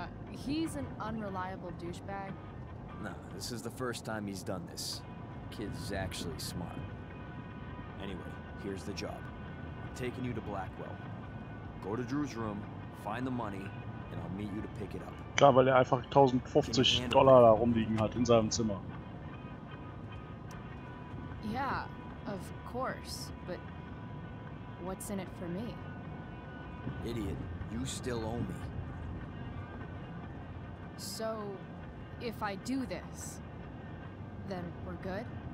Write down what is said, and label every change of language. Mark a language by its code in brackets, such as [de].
[en] He's an unreliable douchebag. Nah, this is the first time he's done this. Kid's actually smart. Anyway, here's the job. I'm taking you to Blackwell. Go to Drew's room, find the money, and I'll meet you to pick it up. [de] Klar, weil einfach 1050 Dollar da rumliegen hat in seinem Zimmer. [en] Yeah, of course, but what's in it for me? Idiot, you still owe me. So, if I do this, then we're good?